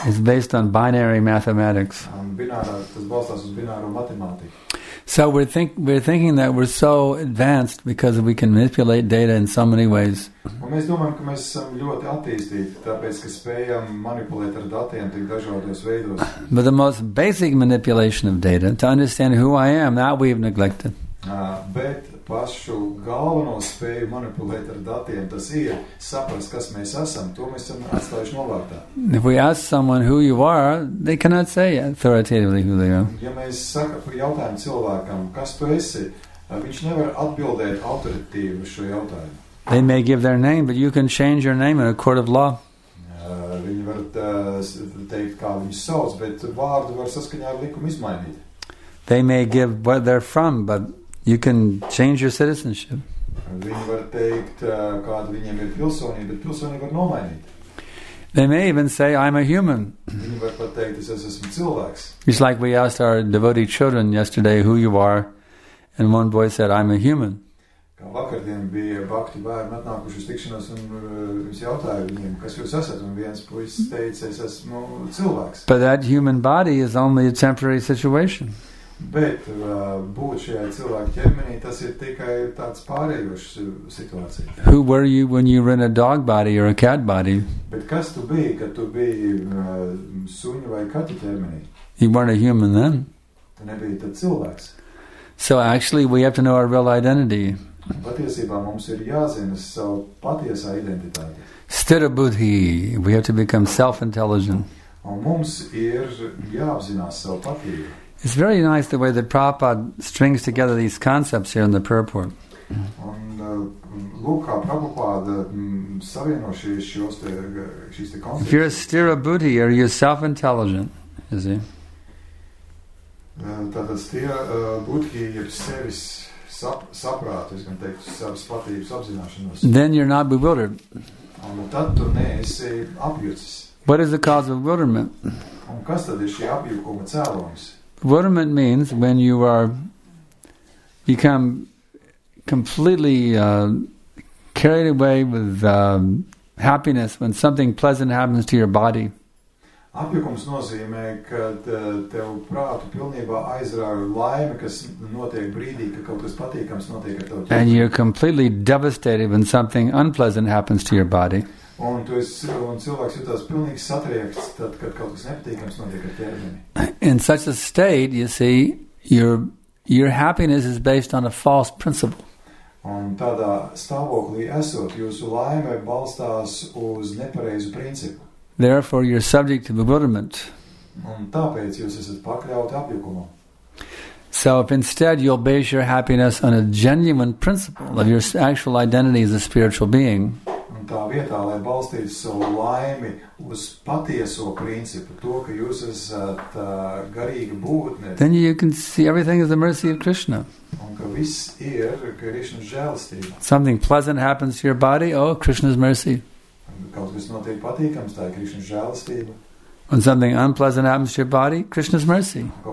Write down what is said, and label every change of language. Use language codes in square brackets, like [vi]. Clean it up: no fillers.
[en] It's based on binary mathematics. [lv] Tas balstās uz bināro matemātiku. [en] So we're thinking that we're so advanced because we can manipulate data in so many ways. [lv] Un mēs domājam, ka mēs esam ļoti attīstīti, tāpēc ka spējam manipulēt ar datiem tik dažādos veidos. [en] But the most basic manipulation of data, to understand who I am, that we've neglected. [lv] Bet pašu galveno spēju manipulēt ar datiem, tas ir saprast, kas mēs esam, to mēs esam atstājuši novārtā. [en] If we ask someone who you are, they cannot say authoritatively who they are. [lv] Ja mēs jautājam cilvēkam, kas tu esi, viņš nevar atbildēt autoritatīvi šo jautājumu. [en] They may give their name, but you can change your name in a court of law. [lv] Viņi var teikt, kā viņus sauc, bet vārdu var saskaņā ar likumu izmainīt. [en] They may give where they're from, but you can change your citizenship. [lv] Viņi var teikt, kāda viņiem ir pilsonība, bet pilsonība var nomainīt. [en] They may even say, I'm a human. [lv] Viņi var pat teikt, es esmu cilvēks. [en] It's like we asked our devotee children yesterday who you are, and one boy said, I'm a human. [lv] Kā vakardien bija bakti bērni atnākuši uz tikšanos un jums jautāja viņiem, kas jūs esat, un viens puisis teica, es esmu cilvēks. [en] But that human body is only a temporary situation. [lv] Bet būt šajā cilvēka ķermenī, tas ir tikai tāds pārējošs situācija. [en] Who were you when you were in a dog body or a cat body? [lv] Bet kas tu biji, kad tu biji suņu vai kaķu ķermenī? [en] You weren't a human then. [lv] Tu nebiji tad cilvēks. [en] So actually we have to know our real identity. [lv] Patiesībā mums ir jāzina savu patiesā identitāti. [en] Stirabuddhi, we have to become self-intelligent. [lv] Un mums ir jāapzinās savu patību. [en] It's very nice the way that Prabhupada strings together these concepts here in the purport. [lv] Un lūk, kā Prabhupāda savieno šīs te koncepts. [en] If you're a stirabuddhi, are you self-intelligent, is he? [lv] Tātad stirabuddhi ir sevis saprāt, es gan teiktu, savas patības apzināšanos. [en] Then you're not bewildered. [lv] Un tad tu neesi apjucis. [en] What is the cause of bewilderment? [lv] Un kas tad ir šī apjūkuma cēlonis? [en] Bewilderment means when you are become completely carried away with happiness when something pleasant happens to your body. [lv] Apjukums nozīmē, kad tev prātu pilnībā aizrāja laime, kas notiek brīdī, ka kaut kas patīkams notiek ar tev. [en] And you're completely devastated when something unpleasant happens to your body. [lv] Un tu esi, un cilvēks jūtās pilnīgi satriekts, tad, kad kaut kas nepatīkams notiek ar ķermeni. [en] In such a state, you see, your happiness is based on a false principle. [lv] Un tādā stāvoklī esot, jūsu laime balstās uz nepareizu principu. [en] Therefore, you're subject to bewilderment. [lv] Un tāpēc jūs esat pakļauti apjukumam. [en] So if instead you'll base your happiness on a genuine principle of your actual identity as a spiritual being, [lv] tā vietā, lai balstītu savu laimi uz patieso principu, to, ka jūs esat garīga būtne. [en] Then you can see everything is the mercy of Krishna. [lv] Un ka viss ir Krishna žēlstība. [en] Something pleasant happens to your body, oh, Krishna's mercy. [lv] Kaut kas notiek patīkams, tā ir Krishna žēlstība. [en] When something unpleasant happens to your body, Krishna's mercy.